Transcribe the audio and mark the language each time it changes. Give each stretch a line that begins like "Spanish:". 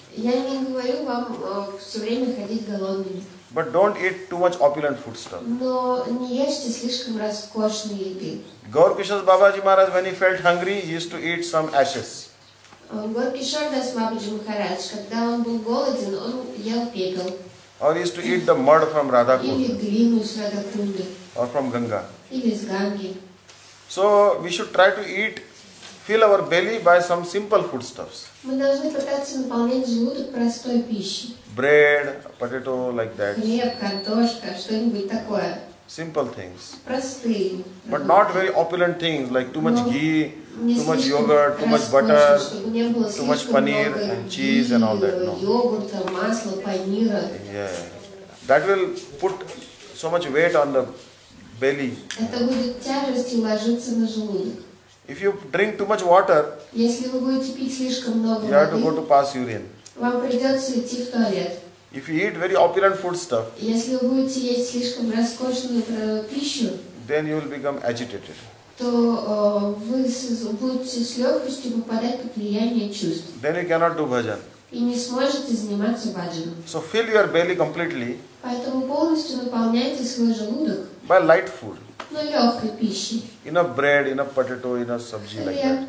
Russian: Я не говорю вам все время ходить голодными.
English: But don't eat too much opulent foodstuff.
Russian: Но не ешьте слишком роскошной еды.
English: Gaur Krishna Babaji Maharaj, when he felt hungry, he used to eat some ashes.
Russian: Гор Кишардас Мабаджи Махарадж, когда он был голоден, он ел пепел.
English: Or he used to eat the mud from Radhakund.
Russian: Или глину с Радхакунды.
English: Or from Ganga.
Russian: Или с Ганги.
English: So we should try to eat, fill our belly by some simple foodstuffs.
Russian: Мы должны пытаться наполнять желудок простой пищей.
English: Bread, potato, like that.
Russian: Хлеб, картошка, что-нибудь такое.
English: Simple things.
Russian: Простые.
English: But not very opulent things like too much ghee, too much yogurt, too much butter, too much paneer and cheese and all that. No.
Russian: Йогурт, масло, панир.
English: Yeah. That will put so much weight on the belly.
Russian: Это будет тяжестью ложиться на желудок.
English: If you drink too much water,
Russian: если вы будете пить слишком много воды,
English: you have to go to pass urine.
Russian: Вам придется идти в туалет.
English: If you eat very opulent foodstuff,
Russian: если вы будете есть слишком роскошную пищу,
English: then you will become agitated.
Russian: То вы будете с легкостью попадать под влияние чувств.
English: Then you cannot do bhajan.
Russian: И не сможете заниматься bhajan.
English: So fill your belly completely.
Russian: Поэтому полностью наполняйте свой желудок.
English: By light food.
Russian: Но легкой пищей.
English: Enough bread, enough potato, enough sabji like that.